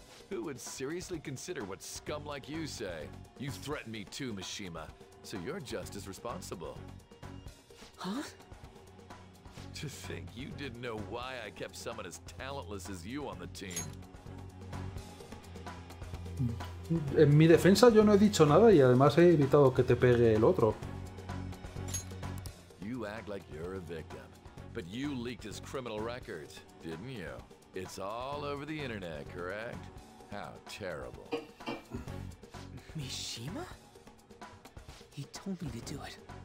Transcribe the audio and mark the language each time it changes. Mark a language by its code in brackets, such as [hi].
[en] Who would seriously consider what scum like you say? You threatened me too, Mishima, so you're just as responsible. Huh? To think you didn't know why I kept someone as talentless as you on the team. [es] En mi defensa yo no he dicho nada y además he evitado que te pegue el otro. [en] You act like you're a victim, but you leaked his criminal records, didn't you? It's all over the internet, correct? How terrible. Mishima? He told me to do it.